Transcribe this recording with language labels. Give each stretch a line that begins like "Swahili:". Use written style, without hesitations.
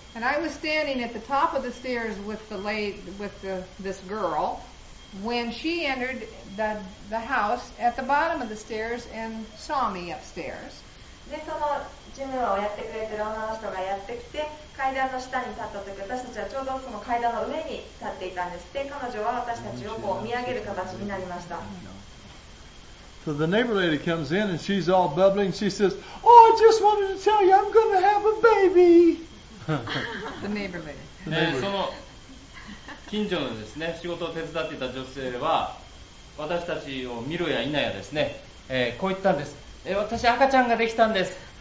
English: And I was standing at the top of the stairs with the lady, with the, this girl. When she entered the house at the bottom of the stairs and saw me upstairs.
Japanese: で、そのジムをやってくれてる女の人がやってきて、階段の下に立った時、私たちはちょうどその階段の上に立っていたんです。で、彼女は私たちをこう見上げる形になりました。
English: So the neighbor lady comes in and she's all bubbling. She says, Oh, I just wanted to tell you I'm going to have a baby. The neighbor lady.
Japanese: その近所のですね、仕事を手伝っていた女性は、私たちを見るや否やですね、こう言ったんです。私、赤ちゃんができたんです。